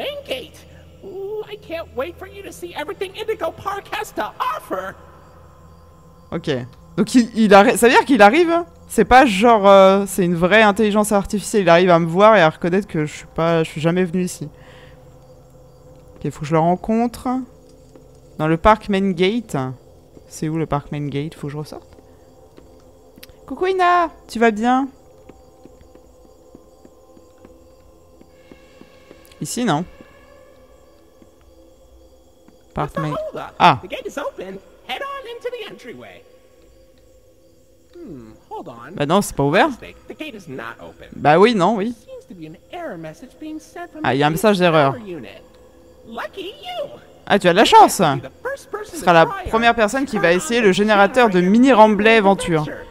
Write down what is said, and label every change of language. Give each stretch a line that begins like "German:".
English: I can't wait for you to see everything Indigo Park has to offer.
French: Ok. Donc il arrive. Ça veut dire qu'il arrive? C'est pas genre c'est une vraie intelligence artificielle. Il arrive à me voir et à reconnaître que je suis jamais venu ici. Ok, faut que je le rencontre. Dans le parc Main Gate. C'est où le parc Main Gate? Faut que je ressorte. Coucou Ina, tu vas bien? Ici non?
English: Park Main. Ah. The gate is open. Head on into the entryway. Hold on.
French: Bah non, c'est pas ouvert.
English: The gate is not open.
French: Bah oui, non, oui.
English: Seems to be an error message being sent from.
French: Ah, il y a un message d'erreur.
English: Lucky you.
French: Ah, tu as de la chance. Ce sera la première personne qui va essayer le générateur de mini Ramblay Venture.